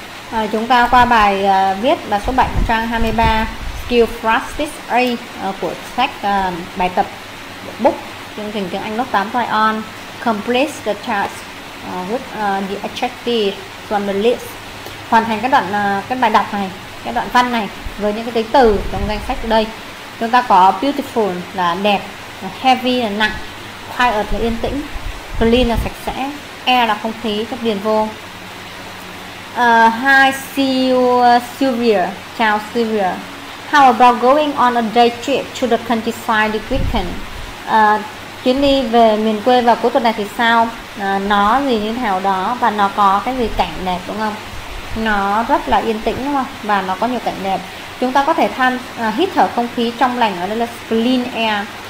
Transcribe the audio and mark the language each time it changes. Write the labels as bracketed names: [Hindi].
[Vietnamese] À, chúng ta qua bài viết là số 7 trang 23 Skill Practice A của sách bài tập book chương trình tiếng Anh lớp 8 Try On. [English] Complete the task with the objective from the list. [Vietnamese] Hoàn thành cái đoạn cái bài đọc này, cái đoạn văn này với những cái tính từ trong danh sách đây. Chúng ta có beautiful là đẹp, heavy là nặng, quiet là yên tĩnh, clean là sạch sẽ, air là không khí cho điền vô. [English] Hi, see you, Sylvia. Ciao, Sylvia. How about going on a day trip to the countryside this weekend? [Vietnamese] Chuyến đi về miền quê vào cuối tuần này thì sao? Nó gì như thế nào đó và nó có cái gì cảnh đẹp đúng không? Nó rất là yên tĩnh đúng không? Và nó có nhiều cảnh đẹp. Chúng ta có thể hít thở không khí trong lành ở đây là clean air.